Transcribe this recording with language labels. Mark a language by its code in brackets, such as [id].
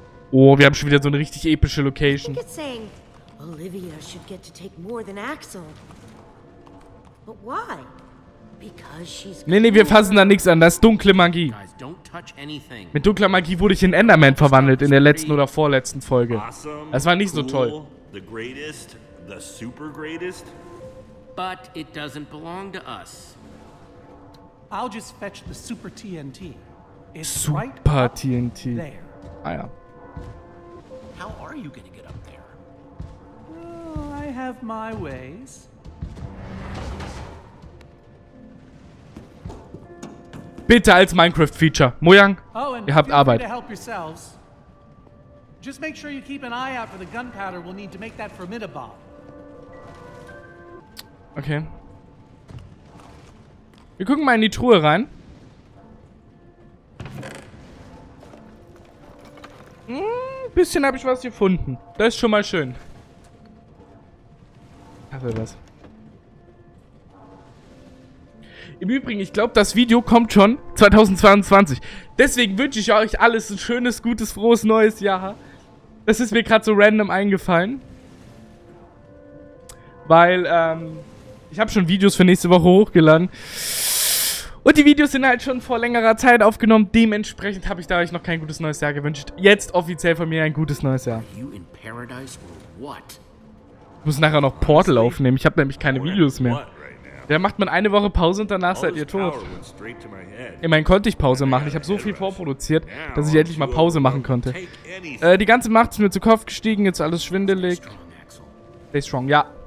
[de] Oh, wir haben schon wieder so eine richtig epische Location. [en] Olivia should get to take more than Axel. But why? Because she's cool. [de] Nee, wir fassen da nichts an. Das ist dunkle Magie. Mit dunkler Magie wurde ich in Enderman verwandelt in der letzten oder vorletzten Folge. Das war nicht so toll. [en] The greatest, the super greatest. But it doesn't belong to us. I'll just fetch the super TNT. It's super TNT. Ah ja. How are you gonna get up? I have my ways. [de] Bitte als Minecraft Feature. Mojang, ihr habt Arbeit. [en] Just make sure you keep an eye out for the gunpowder we'll need to make that formidable. Okay. [de] Wir gucken mal in die Truhe rein. Bisschen habe ich was gefunden. Das ist schon mal schön. Was. Im Übrigen, ich glaube, das Video kommt schon 2022. Deswegen wünsche ich euch alles ein schönes, gutes, frohes neues Jahr. Das ist mir gerade so random eingefallen. Weil, ich habe schon Videos für nächste Woche hochgeladen. Und die Videos sind halt schon vor längerer Zeit aufgenommen. Dementsprechend habe ich da euch noch kein gutes neues Jahr gewünscht. Jetzt offiziell von mir ein gutes neues Jahr. [en] Are you in paradise or what? [de] Ich muss nachher noch Portal aufnehmen. Ich habe nämlich keine Videos mehr. Da macht man eine Woche Pause und danach seid ihr tot. Ich meine, konnte ich Pause machen. Ich habe so viel vorproduziert, dass ich endlich mal Pause machen konnte. Die ganze Macht ist mir zu Kopf gestiegen, jetzt alles schwindelig. [en] Stay strong, [de] ja.